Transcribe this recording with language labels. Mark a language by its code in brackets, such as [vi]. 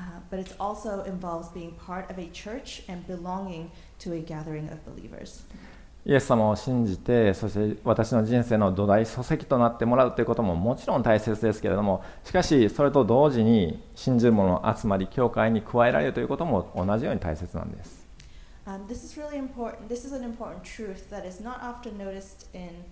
[en] But it's also involves being part of a church and belonging to a gathering of believers. [ja] イエス様を信じて、そして私の人生の土台、礎石となってもらうということももちろん大切ですけれども、しかしそれと同時に信じる者の集まり、教会に加えられるということも同じように大切なんです。 [en] This is really important. This is an important truth that is not often noticed in...